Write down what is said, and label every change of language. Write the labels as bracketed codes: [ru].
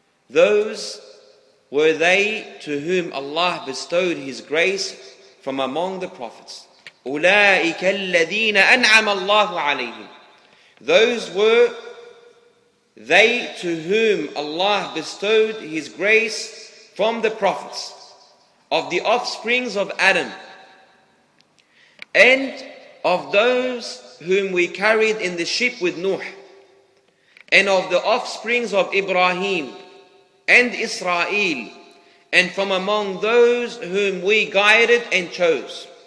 [en] Those were they to whom Allah bestowed His grace from among the prophets. [ar] أولئك الذين أنعم الله عليهم. [en] Those were they to whom Allah bestowed His grace from the prophets of the offsprings of Adam and of those whom we carried in the ship with Nuh, and of the offsprings of Ibrahim and Israel, and from among those whom we guided and chose.